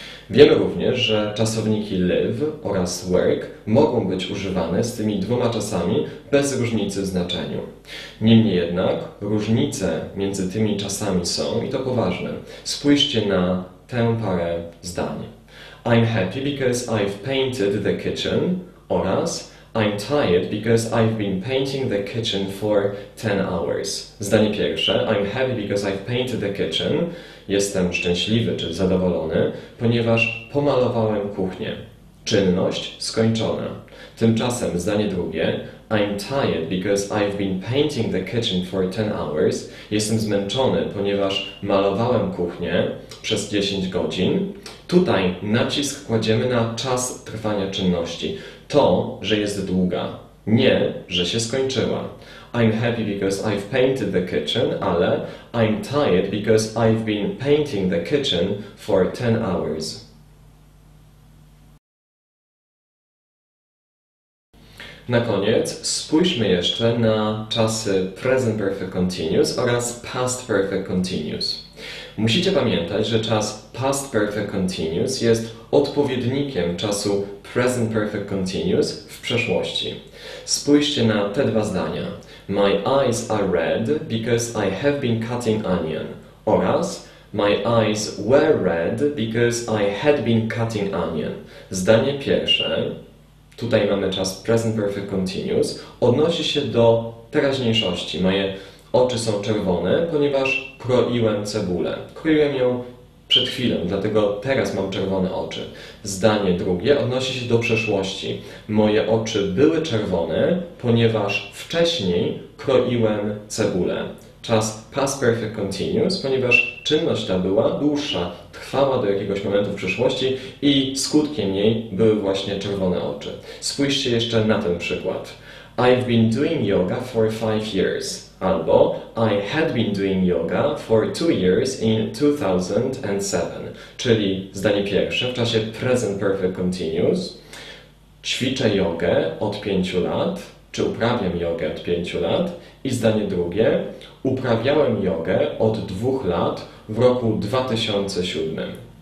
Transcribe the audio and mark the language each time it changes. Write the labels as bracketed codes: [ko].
[pl] Wiemy również, że czasowniki live oraz work mogą być używane z tymi dwoma czasami bez różnicy w znaczeniu. Niemniej jednak różnice między tymi czasami są i to poważne. Spójrzcie na tę parę zdań. [en] I'm happy because I've painted the kitchen [pl] oraz [en] I'm tired because I've been painting the kitchen for 10 hours. [pl] Zdanie pierwsze. [en] I'm happy because I've painted the kitchen. [pl] Jestem szczęśliwy czy zadowolony, ponieważ pomalowałem kuchnię. Czynność skończona. Tymczasem zdanie drugie. [en] I'm tired because I've been painting the kitchen for 10 hours. [pl] Jestem zmęczony, ponieważ malowałem kuchnię przez 10 godzin. Tutaj nacisk kładziemy na czas trwania czynności. To, że jest długa. Nie, że się skończyła. [en] I'm happy because I've painted the kitchen, [pl] ale [en] I'm tired because I've been painting the kitchen for 10 hours. [pl] Na koniec spójrzmy jeszcze na czasy present perfect continuous oraz past perfect continuous. Musicie pamiętać, że czas past perfect continuous jest odpowiednikiem czasu present perfect continuous w przeszłości. Spójrzcie na te dwa zdania. [en] My eyes are red because I have been cutting onion. [pl] Oraz [en] my eyes were red because I had been cutting onion. [pl] Zdanie pierwsze, tutaj mamy czas present perfect continuous, odnosi się do teraźniejszości. Moje oczy są czerwone, ponieważ kroiłem cebulę. Kroiłem ją przed chwilą, dlatego teraz mam czerwone oczy. Zdanie drugie odnosi się do przeszłości. Moje oczy były czerwone, ponieważ wcześniej kroiłem cebulę. Czas past perfect continuous, ponieważ czynność ta była dłuższa, trwała do jakiegoś momentu w przeszłości i skutkiem jej były właśnie czerwone oczy. Spójrzcie jeszcze na ten przykład. [en] I've been doing yoga for 5 years. [pl] Albo [en] I had been doing yoga for 2 years in 2007. [pl] Czyli zdanie pierwsze w czasie present perfect continuous. Ćwiczę jogę od 5 lat, czy uprawiam jogę od 5 lat. I zdanie drugie. Uprawiałem jogę od 2 lat w roku 2007.